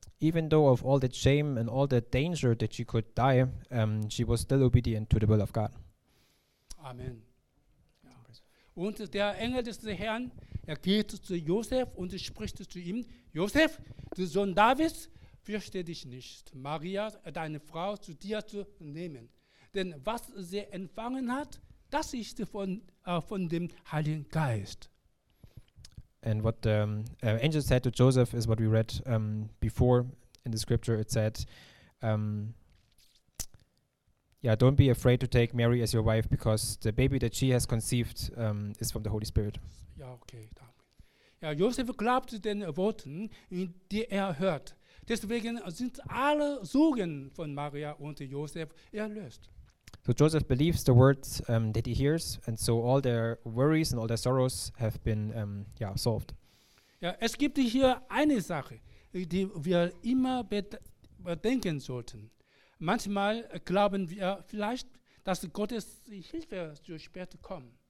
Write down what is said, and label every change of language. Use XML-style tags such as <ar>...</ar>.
<en>Even though of all the shame and all the danger that she could die, she was still obedient to the will of God. Amen. Ja.</en> <de>Und der Engel des Herrn, geht zu Josef und spricht zu ihm, Josef, du Sohn Davids, fürchte dich nicht, Maria, deine Frau, zu dir zu nehmen. Denn was sie empfangen hat, das ist von dem Heiligen Geist.</de> <en>And what the angel said to Joseph is what we read before in the scripture. It said, don't be afraid to take Mary as your wife, because the baby that she has conceived is from the Holy Spirit.</en> <de>Ja, okay, danke. Ja, Joseph glaubte den Worten, die er hört. Deswegen sind alle Sorgen von Maria und Josef erlöst.</de> <en>So Joseph believes the words that he hears, and so all their worries and all their sorrows have been solved.</en> <de>Ja, es gibt hier eine Sache, die wir immer bedenken sollten. Manchmal glauben wir vielleicht, dass Gottes Hilfe zu spät kommt.</de>